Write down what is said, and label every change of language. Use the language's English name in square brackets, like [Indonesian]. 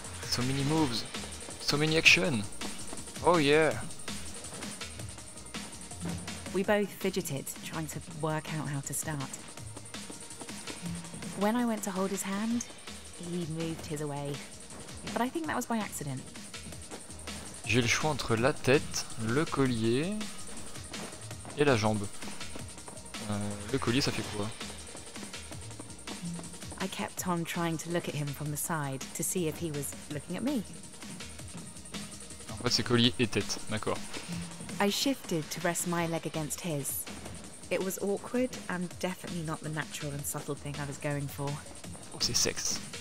[English] So many moves, so many action. Oh yeah. We both fidgeted, trying to work out how to start. When I went to hold his hand, he moved his away. But I think that was by accident. [French] J'ai le choix entre la tête, le collier et la jambe. Le collier, ça fait quoi? [English] I kept on trying to look at him from the side to see if he was looking at me. [French] En fait, c'est collier et tête, d'accord. [English] I shifted to rest my leg against his. It was awkward and definitely not the natural and subtle thing I was going for. [French] Oh, c'est sexe.